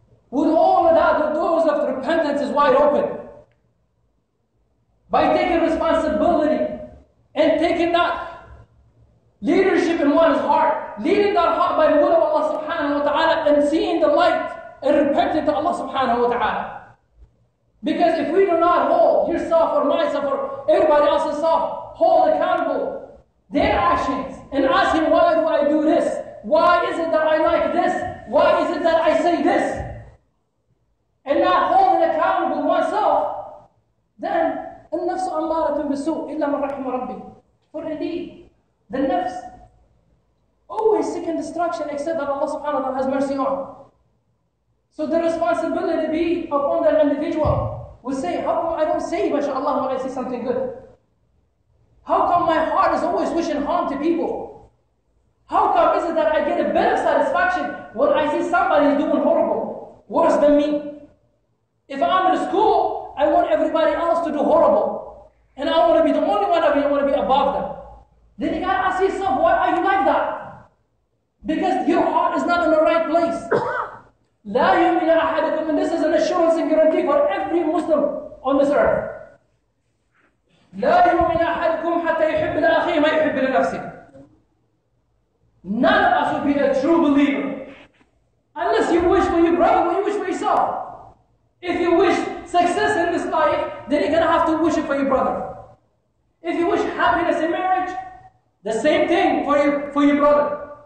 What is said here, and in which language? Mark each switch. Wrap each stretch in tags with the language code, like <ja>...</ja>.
<en>With all of that, the doors of repentance is wide open. By taking responsibility and taking that leadership in one's heart, leading that heart by the will of Allah subhanahu wa ta'ala, and seeing the light and repenting to Allah subhanahu wa ta'ala. Because if we do not hold yourself or myself or everybody else's self hold accountable their actions and ask him, why do I do this? Why is it that I like this? Why is it that I say this? And not holding accountable myself, then</en> <ar>النفس أمارة بسوء إلا من رحم ربي.</ar> <en>For indeed, the nafs always seeking destruction except that Allah subhanahu wa ta'ala has mercy on. So the responsibility be upon that individual. We say, how come I don't say, mashallah, when I see something good? How come my heart is always wishing harm to people? How come is it that I get a bit of satisfaction when I see somebody doing horrible, worse than me? If I'm in school, I want everybody else to do horrible. And I want to be the only one of you, I want to be above them. Then you gotta ask yourself, why are you like that? Because your heart is not in the right place.</en> <ar>لا يؤمن أحدكم,</ar> <en>and this is an assurance and guarantee for every Muslim on this earth.</en> <ar>لا يؤمن أحدكم حتى يحب لأخيه ما يحب لنفسه.</ar> <en>None of us will be a true believer unless you wish for your brother or you wish for yourself. If you wish success in this life, then you're gonna have to wish it for your brother. If you wish happiness in marriage, the same thing for your brother.</en>